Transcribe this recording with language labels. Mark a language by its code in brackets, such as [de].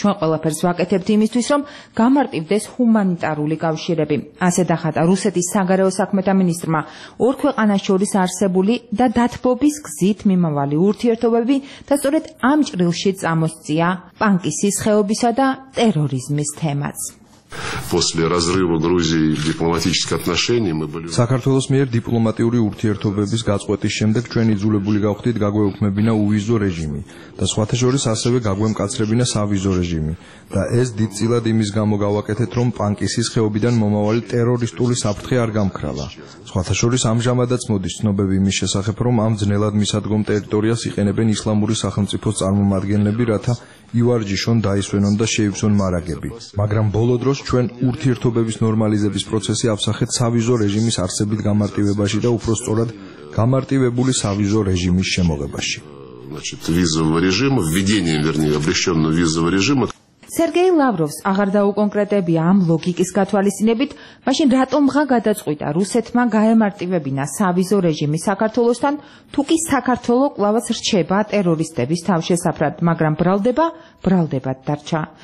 [ka] ჩვენ ყველაფერს ვაკეთებთ იმისთვის, რომ გამარტივდეს ჰუმანიტარული კავშირები. ასე დახატა რუსეთის საგარეო საქმეთა მინისტრმა ორ ქვეყანას შორის არსებული და დათბობის გზით მიმავალი ურთიერთობები და სწორედ ამ ჭრილში წამოსწია პანკის სხეობისა და ტერორიზმის თემას. [ru] После разрыва Грузии в дипломатических отношениях мы были [ka] საქართველოს მიერ დიპლომატიური ურთიერთობების გაწყვეტის შემდეგ ჩვენ იძულებული გავხდით გაგვეუქმებინა უვიზო რეჟიმი და სხვა შეორის ასევე გაგვემკაცრებინა სავიზო რეჟიმი და ეს დიდწილად იმის გამო გავაკეთეთ, რომ პანკისის ხეობიდან მომავალი ტერორისტული საფრთხე არ გამქრალა. სხვა შეორის ამჟამადაც მოდის ცნობები იმის შესახებ, რომ ამ ძნელად მისადგომ ტერიტორიას იყენებენ ისლამური სახელმწიფოს წარმომადგენლები, რათა იوارჯიშონ დაისვენონ და შეივსონ მარაგები. მაგრამ ბოლო დროს ჩვენ ურთიერთობების ნორმალიზების პროცესი აფსახეთ სავიზო რეჟიმის არსებით გამარტივებაში და უფრო სწორად გამარტივებული სავიზო რეჟიმის შემოღებაში. [ru] Значит, визовый режим, введение, вернее, облегчённого визового режима. [ka] Сергей Лавров, აღარ დაუკონკრეტებია ამ ლოგიკის გათვალისწინებით, მაშინ რატომღა გადაწყვიტა რუსეთმა გაემარტივებინა სავიზო რეჟიმი საქართველოსთან, თუ კი საქართველო კლავას რჩება ტერორისტების თავშესაფრად, მაგრამ ბრალდებად დარჩა.